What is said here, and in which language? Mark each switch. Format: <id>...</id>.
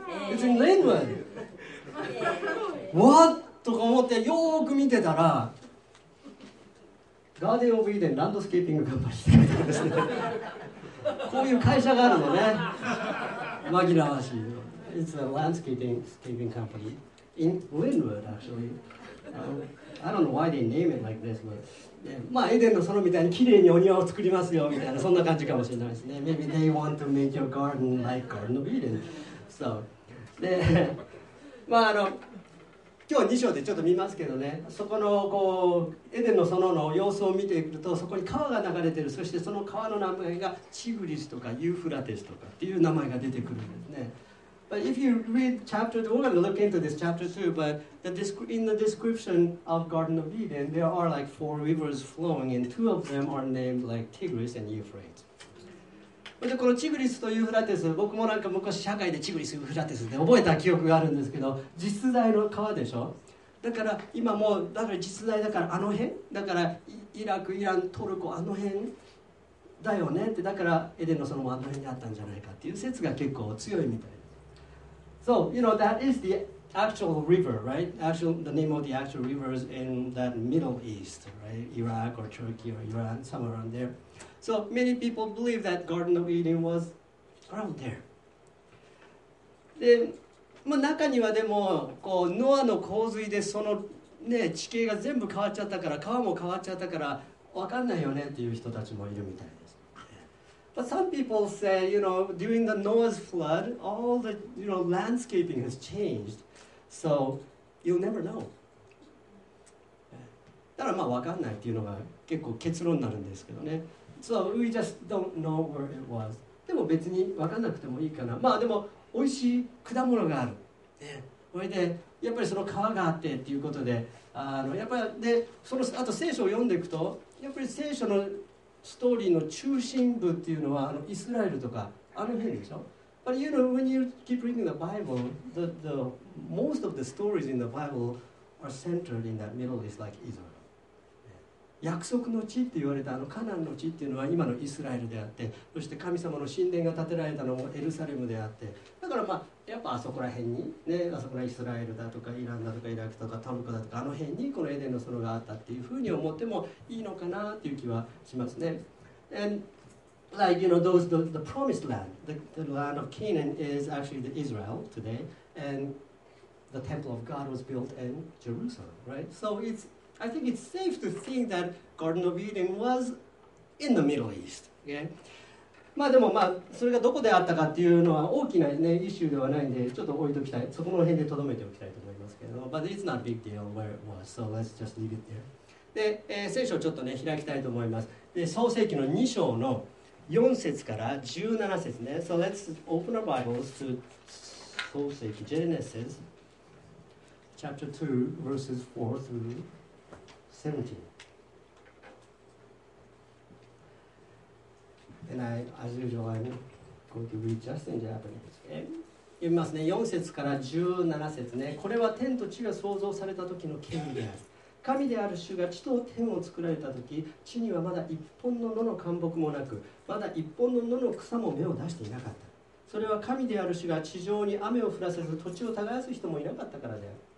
<en>It's in Linwood. What?</en> <ja>とか思ってよーく見てたらガーデンオブイデンランドスケーピングカンパニーって書いてあるんですね。こういう会社があるのね。紛らわしい。</ja> <en>It's a landscaping scaping company in Linwood actually. I don't know why they name it like this, but</en> <ja>まあエデンの園みたいに綺麗にお庭を作りますよみたいなそんな感じかもしれないですね。</ja> <en>Maybe they want to make your garden like Garden of Eden. So,</en> <ja>で、まあ今日2章でちょっと見ますけどね、そこのこうエデンの園の様子を見ていくと、そこに川が流れている、そしてその川の名前がチグリスとかユーフラテスとかっていう名前が出てくるんですね。</ja> <en>But if you read chapter 2, we're going to look into this chapter 2, but in the description of Garden of Eden, there are like four rivers flowing, and two of them are named like Tigris and Euphrates.</en> <ja>でこのチグリスとユーフラテス、僕もなんか昔社会でチグリス、ユーフラテスって覚えた記憶があるんですけど、実在の川でしょ。だから今もうだから実在だからあの辺、だからイラク、イラン、トルコあの辺だよねって、だからエデンの園もあの辺にあったんじゃないかっていう説が結構強いみたいです。</ja> <en>So you know that is the actual river, right? Actual the name of the actual rivers in that Middle East, right? Iraq or Turkey or Iran, somewhere around there. So many people believe that Garden of Eden was around there.</en> <ja>で、まあ、中にはでもこうノアの洪水でその、ね、地形が全部変わっちゃったから、川も変わっちゃったから分かんないよねっていう人たちもいるみたいです。</ja> <en>But some people say, you know, during the Noah's flood, all the, you know, landscaping has changed. So you'll never know.</en> <ja>だからまあ分かんないっていうのが結構結論になるんですけどね。</ja> <en>So we just don't know where it was.</en> <ja>でも別に分かんなくてもいいかな。まあでも美味しい果物がある。それでやっぱりその川があってっていうことで、やっぱりでそのあと聖書を読んでいくと、やっぱり聖書のストーリーの中心部っていうのはイスラエルとかあの辺でしょ。</ja> <en>But you know when you keep reading the Bible, the most of the stories in the Bible are centered in that Middle East, like Israel.</en> <ja>約束の地って言われたあのカナンの地っていうのは今のイスラエルであって、そして神様の神殿が建てられたのもエルサレムであって、だからまあやっぱあそこら辺にね、あそこらイスラエルだとかイランだとかイラクとかトルコだとかあの辺にこのエデンの園があったっていうふうに思ってもいいのかなっていう気はしますね。</ja> <en>And like you know those the promised land, the land of Canaan is actually the Israel today, and the temple of God was built in Jerusalem, right? So it'sI think it's safe to think that Garden of Eden was in the Middle East. Okay?</en> <ja>まあでもまあそれがどこであったかっていうのは大きなね、イシューではないんで、ちょっと置いときたい。そこの辺でとどめておきたいと思いますけど。</ja> <en>But it's not a big deal where it was, so let's just leave it there.</en> <ja>で、聖書をちょっとね、開きたいと思います。で、創世記の2章の4節から17節ね。</ja> <en>So let's open our Bibles to 創世記 Genesis, chapter 2, verses 4 through 17. And I, as usual, I'm going to read just in Japanese.</en> <ja>読みますね。4節から17節ね。これは天と地が創造された時の経緯です。神である主が地と天を作られた時、地にはまだ一本の野の灌木もなく、まだ一本の野の草も芽を出していなかった。それは神である主が地上に雨を降らせず土地を耕す人もいなかったからである。</ja>